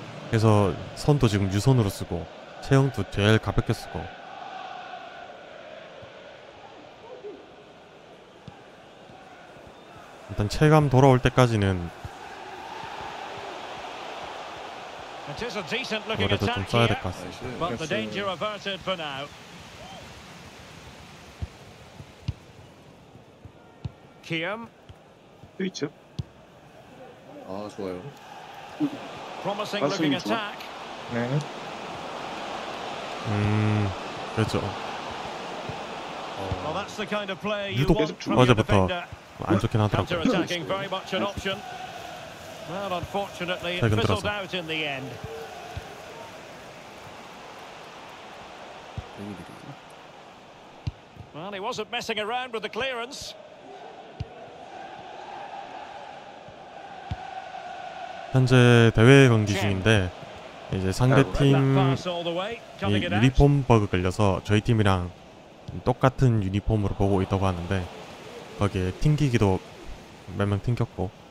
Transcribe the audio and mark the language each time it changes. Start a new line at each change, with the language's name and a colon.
Korean: 그래서 선도 지금 유선으로 쓰고 체형도 제일 가볍게 쓰고.
English: Okay.
Korean: 일단 체감 돌아올 때까지는
English: It is a decent looking attack here, but the danger averted for now. Kim.
Korean: 위치. 아, 좋아요.
English: Promising looking attack.
Korean: 네. 그렇죠.
English: Well, that's the kind of play you want from your defender.
Korean: 유독 안 좋긴 하더라고.
English: Counter attacking very much an option. Well, unfortunately, it fizzled out in the end. Maybe. Well, he wasn't messing around with the clearance.
Korean: And the 대회 경기 중인데 이제 상대팀 유니폼 버그 걸려서 저희 팀이랑 똑같은 유니폼으로 보고 있다고 하는데 거기에 튕기기도 몇 명 튕겼고.